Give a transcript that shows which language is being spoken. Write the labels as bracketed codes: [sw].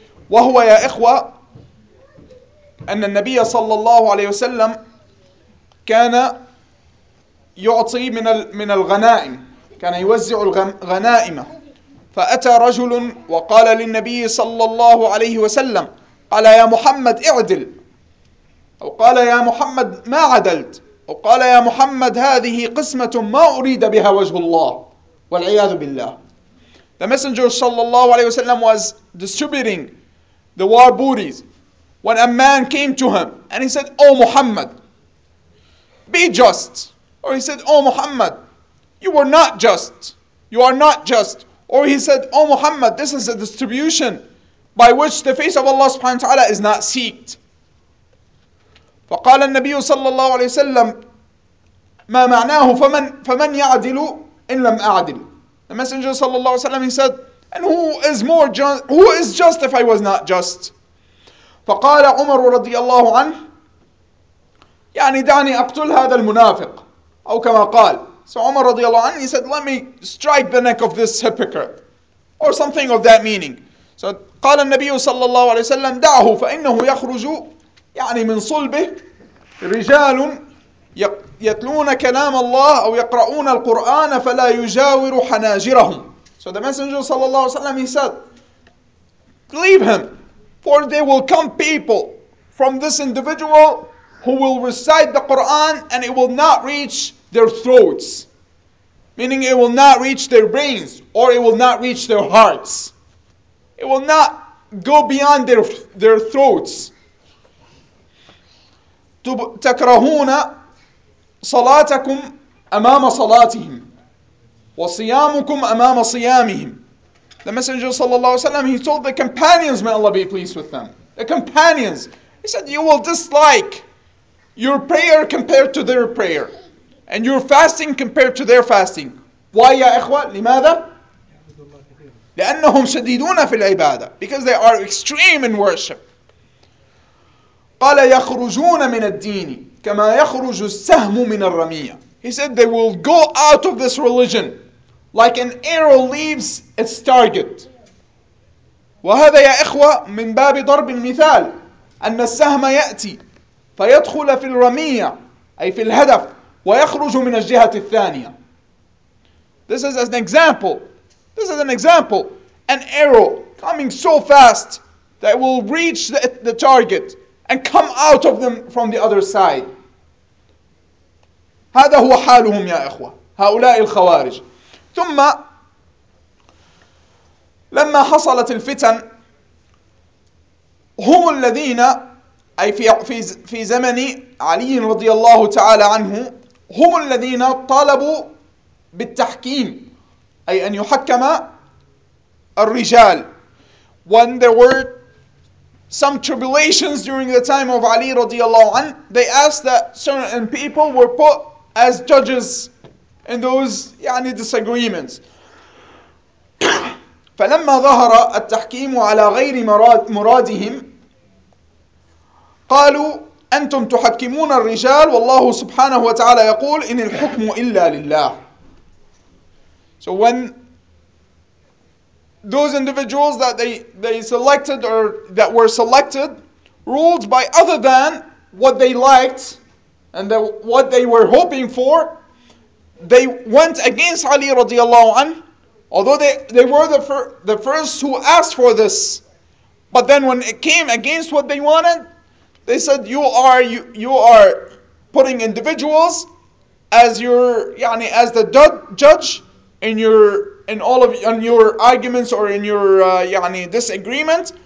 [ar] وهو يا إخوة أن النبي صلى الله عليه وسلم كان يعطي من الغنائم، كان يوزع الغنائم، فأتى رجل وقال للنبي صلى الله عليه وسلم قال يا محمد اعدل، أو قال يا محمد ما عدلت، أو قال يا محمد هذه قسمة ما أريد بها وجه الله والعياذ بالله. [en] The messenger صلى الله عليه وسلم was distributing the war booties when a man came to him and he said, oh Muhammad, be just. Or he said, oh Muhammad, you were not just. You are not just. Or he said, oh Muhammad, this is a distribution by which the face of Allah subhanahu wa ta'ala is not seeked. [ar] فقال النبي صلى الله عليه وسلم ما معناه فمن يعدل إن لم أعدل. [en] The messenger صلى الله عليه وسلم he said, and who is more just, who is just if I was not just. [ar] فقال عمر رضي الله عنه يعني دعني أقتل هذا المنافق أو كما قال. [en] So عمر [ar] رضي الله عنه [en] he said let me strike the neck of this hypocrite or something of that meaning. [ar] So قال النبي صلى الله عليه وسلم دعه فإنه يخرج يعني من صلبه رجال يتلون كلام الله أو يقرؤون القرآن فلا يجاور حناجرهم. [en] So the messenger صلى الله عليه وسلم he said leave him for there will come people from this individual who will recite the Quran and it will not reach their throats, meaning it will not reach their brains or it will not reach their hearts, it will not go beyond their throats. [ar] تكرهون صلاتكم أمام صلاتهم وصيامكم أمام صيامهم. [en] The messenger صلى الله عليه وسلم he told the companions, may Allah be pleased with them, the companions, he said you will dislike your prayer compared to their prayer and your fasting compared to their fasting. [ar] Why يا إخوة لماذا؟ لأنهم شديدون في العبادة, [en] because they are extreme in worship. [ar] قال يخرجون من الدين كما يخرج السهم من الرمية. [en] He said they will go out of this religion like an arrow leaves its target. [ar] وهذا يا إخوة من باب ضرب المثال أن السهم يأتي فيدخل في الرمية أي في الهدف ويخرج من الجهة الثانية. [en] This is an example. This is an example. An arrow coming so fast that it will reach the target and come out of them from the other side. [ar] هذا هو حالهم يا إخوة هؤلاء الخوارج. ثم لما حصلت الفتن هم الذين أي في زمن علي رضي الله تعالى عنه هم الذين طالبوا بالتحكيم أي أن يحكم الرجال. [en] When there were some tribulations during the time of Ali radiallahu anh, they asked that certain people were put as judges in those يعني disagreements. فلما ظهر التحكيم على غير مرادهم قالوا أنتم تحكمون الرجال والله سبحانه وتعالى يقول إن الحكم إلا لله. So when those individuals that they selected or that were selected ruled by other than what they liked and the, what they were hoping for, they went against Ali radiallahu anh, although they were the first who asked for this, but then when it came against what they wanted, they said you are putting individuals as your يعني as the judge in your in all of on your arguments or in your يعني disagreement.